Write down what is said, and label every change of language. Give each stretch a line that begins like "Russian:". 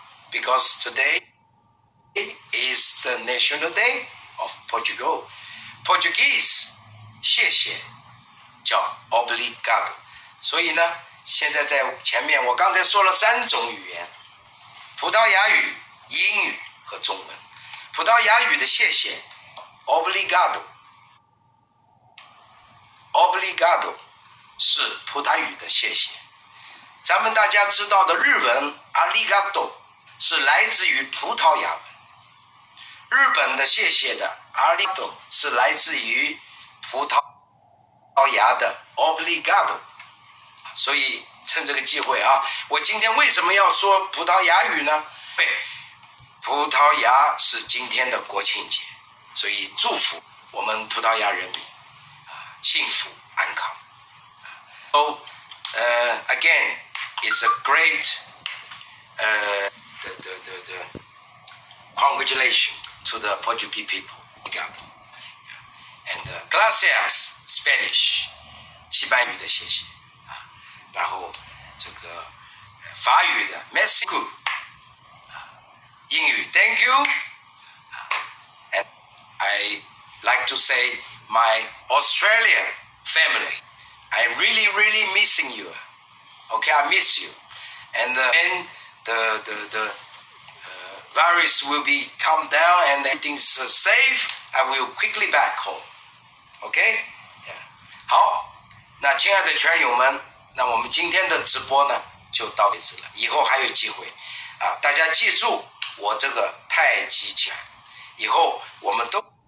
English: Because today is the national day of Portugal.
Chinese: Portuguese, 谢谢，叫 obligado. 所以呢，现在在前面我刚才说了三种语言：葡萄牙语、英语和中文。葡萄牙语的谢谢。Obrigado. Obrigado 是葡萄牙语的谢谢。咱们大家知道的日文 Arigato 是来自于葡萄牙文。日本的谢谢的 Arigato 是来自于葡萄牙的 Obrigado。所以趁这个机会啊，我今天为什么要说葡萄牙语呢？对，葡萄牙是今天的国庆节。所以祝福我们葡萄牙人民幸福安康。
English: So, again, it's a great the congratulation to the Portuguese people. And gracias, Spanish,
Chinese: 西班牙语的谢谢。然后这个法语的 merci beaucoup, 英语 thank you.
English: I like to say my Australia family, I really, really missing you. Okay, I miss you. And then the virus will be calm down and everything's safe. I will quickly back home. Okay? Yeah.
Chinese: 好，那亲爱的圈友们，那我们今天的直播呢就到此了。以后还有机会啊，大家记住我这个太极拳，以后我们都。